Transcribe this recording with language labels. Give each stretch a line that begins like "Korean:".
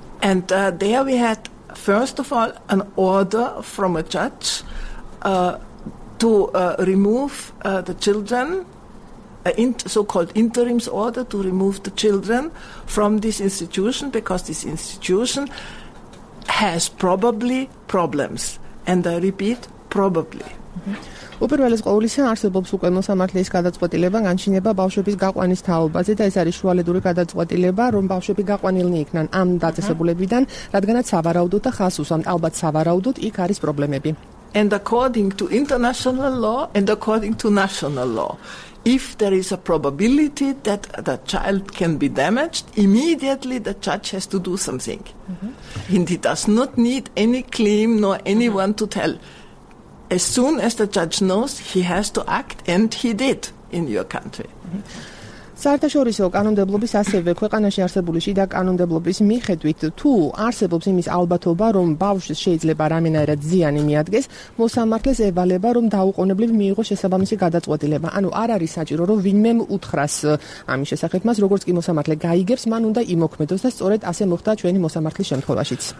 English: And there we had, first of all, an order from a judge to remove the children. So-called interims order to remove the children from this institution because this institution has probably problems. And I repeat, probably.
Georgian: უპირველეს ყოვლისა, არსებობს უკვე მოსამართლეის გადაწყვეტილება განჩინება ბავშვების გაყვანის თაობაზე და ეს არის შუალედური გადაწყვეტილება, რომ ბავშვები გაყვანილნი იქნან ამ დაწესებულებიდან, რადგანაც სავარაუდოდ და ხასუსან, ალბათ სავარაუდოდ, იქ არის პრობლემები.
English: and according to international law and according to national law. If there is a probability that the child can be damaged, immediately the judge has to do something. Mm-hmm. And he does not need any claim nor anyone mm-hmm. to tell. As soon as the judge knows, he has to act, and he did in your country. Mm-hmm.
Georgian: საერთაშორისო კანონმდებლობის ასევე ქვეყანაში არსებული შიდა კანონმდებლობის მიხედვით თუ არსებობს იმის ალბათობა რომ ბავშვს შეიძლება რამენადაც ზიანი მიადგეს მოსამართლეს ევალება რომ დაუყოვნებლივ მიიღო შესაბამისი გადაწყვეტილება ანუ არ არის საჭირო რომ ვინმე უთხრას ამის შესახებ მას როგორც კი მოსამართლე გაიგებს მან უნდა იმოქმედოს და სწორედ ასე მოხდა ჩვენი მოსამართლის შემთხვევაშიც